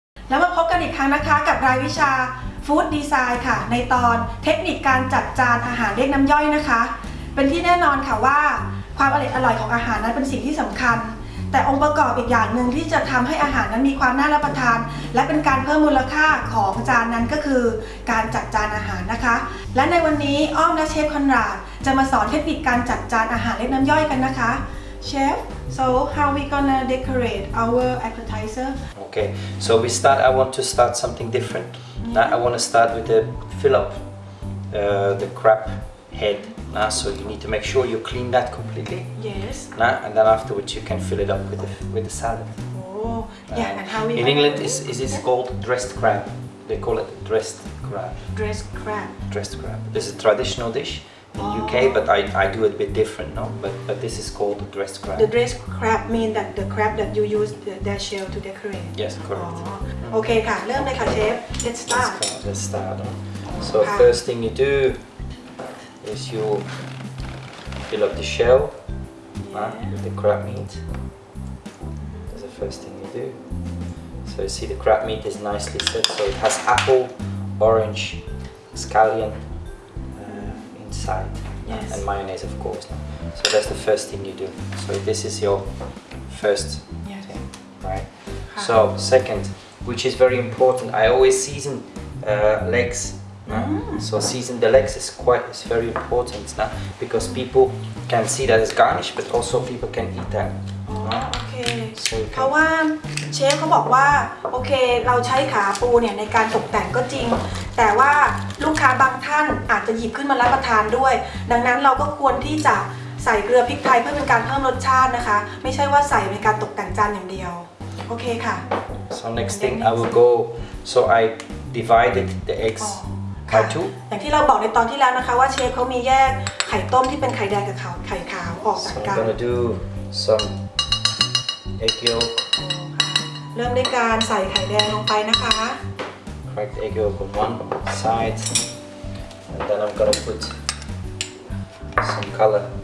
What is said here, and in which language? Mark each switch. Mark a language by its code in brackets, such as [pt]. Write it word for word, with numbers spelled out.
[th] รั้งนะคะกับรายวิชาฟู้ดดีไซน์ค่ะในตอนเทคนิคการจัดจานอาหารเรียกน้ำย่อยนะคะเป็นที่แน่นอนค่ะว่าความอร่อยของอาหารนั้นเป็นสิ่งที่สำคัญแต่องค์ประกอบอีกอย่างหนึ่งที่จะทำให้อาหารนั้นมีความน่ารับประทานและเป็นการเพิ่มมูลค่าของจานนั้นก็คือการจัดจานอาหารนะคะและในวันนี้อ้อมและเชฟคอนราดจะมาสอนเทคนิคการจัดจานอาหารเรียกน้ำย่อยกันนะคะ [en] Chef, so how we gonna decorate our appetizer? Okay, so we start. I want to start something different. Mm-hmm. Now I want to start with the fill up uh, the crab head. Nah, so you need to make sure you clean that completely. Yes. Nah, and then afterwards you can fill it up with the, with the salad. Oh, yeah. And, and how we in England is is it yeah. called dressed crab? They call it dressed crab. Dressed crab. Dressed crab. This is a traditional dish in oh. U K, but I, I do it a bit different, no? But but this is called dressed crab. The dressed crab mean that the crab that you use the, their shell to decorate. Yes, correct. Oh. Okay, [th] ค่ะเริ่มเลยค่ะเชฟ [en] Let's start. Let's start. So first thing you do. is you fill up the shell yeah. uh, with the crab meat. That's the first thing you do. So you see the crab meat is nicely set, so it has apple, orange, scallion uh, inside yes. and mayonnaise of course. So that's the first thing you do. So this is your first yes. thing, right? Ha. So second, which is very important, I always season uh, legs. Mm. So season the legs is quite is very important now because people can see that as garnish, but also people can eat that. Oh, okay. So you can. [th] เพราะว่าเชฟเขาบอกว่าโอเคเราใช้ขาปูเนี่ยในการตกแต่งก็จริงแต่ว่าลูกค้าบางท่านอาจจะหยิบขึ้นมารับประทานด้วยดังนั้นเราก็ควรที่จะใส่เกลือพริกไทยเพื่อเป็นการเพิ่มรสชาตินะคะไม่ใช่ว่าใส่ในการตกแต่งจานอย่างเดียวโอเคค่ะ [en] So next thing I will go. So I divided the eggs. [th] อย่างที่เราบอกในตอนที่แล้วนะคะว่าเชฟเขามีแยกไข่ต้มที่เป็นไข่แดงกับไข่ขาวออกจากกัน [en] So I'm gonna do some egg yolk. [th] เริ่มด้วยการใส่ไข่แดงลงไปนะคะ [en] Crack the egg yolk on one side, and then I'm gonna put some color.